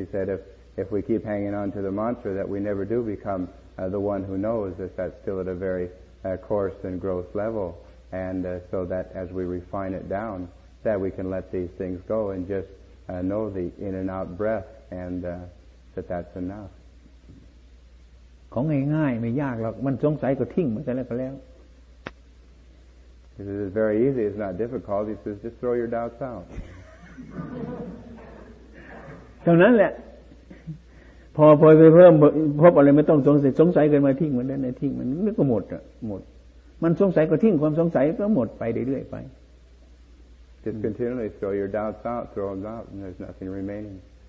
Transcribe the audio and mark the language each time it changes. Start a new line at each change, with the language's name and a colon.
English: He said if we keep hanging on to the mantra, that we never do become the one who knows, that that's still at a very coarse and gross level, and so that as we refine it down, that we can let these things go and just know the in and out breath, and that's enough.
Thai: ของง่ายๆไม่ยากหรอกมันสงสัยก็ทิ้งมันซะแล้วก็แล้ว
English: This is very easy. It's not difficult. He says, just throw your doubts out.
Thai: เท่านั้นแหละพอไปเพิ่มพบอะไรไม่ต้องสงสัยกันมาทิ้งมันนั่นไอ้ทิ้งมันนึกก็หมดอ่ะหมดมันสงสัยก็ทิ้งความสงสัยก็หมดไปเรื่อยๆไป
English: Just continually throw your doubts out, throw them out, and there's nothing remaining.